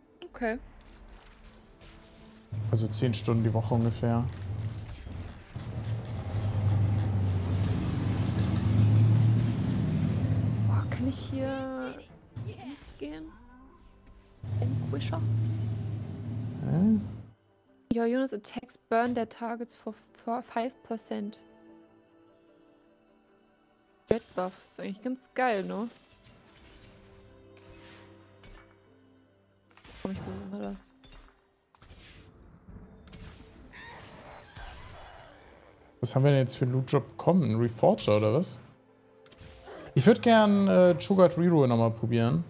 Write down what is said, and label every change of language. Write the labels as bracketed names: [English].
[German] Okay. Also 10 Stunden die Woche ungefähr. Boah, kann ich hier ins gehen? Enquisher? Hä? [English] Your unit's attacks burn their targets for 5%. [German] Red Buff ist eigentlich ganz geil, ne? Komm, ich hole mal das. Was haben wir denn jetzt für einen Loot-Job bekommen? Ein Reforger oder was? Ich würde gern Cho'Gath Reroll nochmal probieren.